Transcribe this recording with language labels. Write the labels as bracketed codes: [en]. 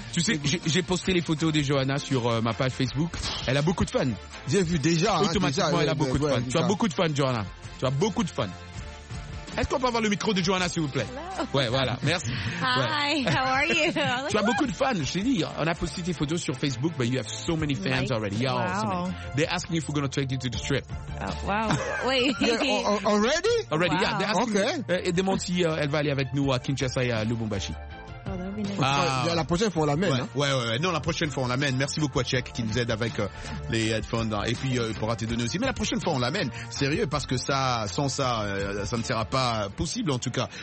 [fr] Tu sais, j'ai posté les photos de Johanna sur ma page Facebook. Elle a beaucoup de fans. J'ai vu déjà. Automatiquement, déjà, elle a beaucoup de fans. Tu as beaucoup de fans, Johanna. Tu as beaucoup de fans. Est-ce qu'on peut avoir le micro de Johanna, s'il vous plaît? [en] Hello. [fr] Ouais, voilà. Merci. [en] Hi, how are you? [fr] Tu as beaucoup de fans, je t'ai dit. On a posté tes photos sur Facebook, [en] but you have so many fans already. Yeah, wow. So they're asking if we're going to take you to the strip. Wow. Wait. Already? Already, wow. Yeah. They're asking, okay. [fr] Et demande si elle va aller avec nous à Kinshasa et à Lubumbashi. La prochaine fois on l'amène. La prochaine fois on l'amène. Merci beaucoup à Check qui nous aide avec les headphones hein. Et puis il pourra te donner aussi. Mais la prochaine fois on l'amène. Sérieux, parce que ça, sans ça, ça ne sera pas possible en tout cas.